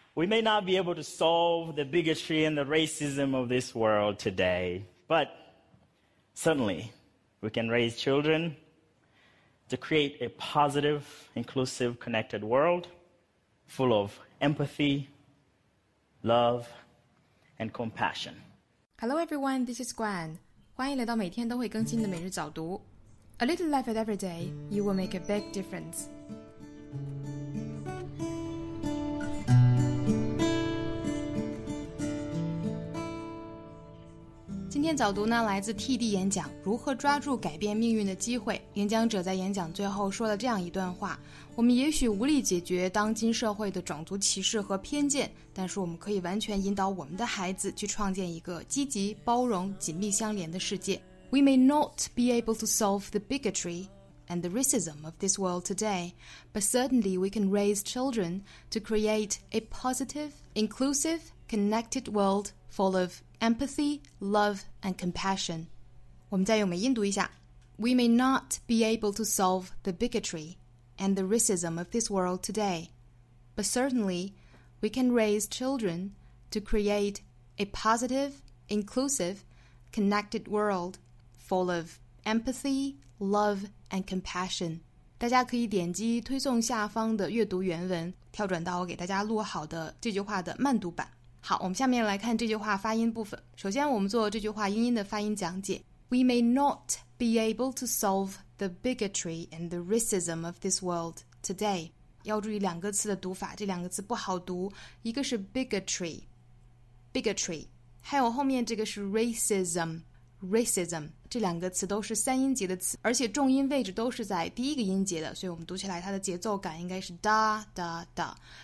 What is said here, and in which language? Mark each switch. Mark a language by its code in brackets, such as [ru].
[en] We may not be able to solve the bigotry and the racism of this world today, but certainly we can raise children to create a positive, inclusive, connected world full of empathy, love, and compassion. Hello everyone, this is Gwen. [zh] 欢迎来到每天都会更新的每日早读。 [en] A little laugh at every day, you will make a big difference. [zh] 今天早读呢，来自 TD 演讲，如何抓住改变命运的机会。演讲者在演讲最后说了这样一段话，我们也许无力解决当今社会的种族歧视和偏见，但是我们可以完全引导我们的孩子去创建一个积极、包容、紧密相连的世界。 [en] We may not be able to solve the bigotry and the racism of this world today, but certainly we can raise children to create a positive, inclusive, connected world full of empathy, love, and compassion. [zh] 我们再用美音读一下。 [en] We may not be able to solve the bigotry and the racism of this world today, but certainly we can raise children to create a positive, inclusive, connected world. Full of empathy, love, and compassion. [zh] 大家可以点击推送下方的阅读原文，跳转到我给大家录好的这句话的慢读版。好，我们下面来看这句话发音部分。首先，我们做这句话英音的发音讲解。 [en] We may not be able to solve the bigotry and the racism of this world today. [zh] 要注意两个词的读法，这两个词不好读，一个是 bigotry, 还有后面这个是 racism, 这两个词都是三音节的词，而且重音位置都是在第一个音节的，所以我们读起来它的节奏感应该是 da da da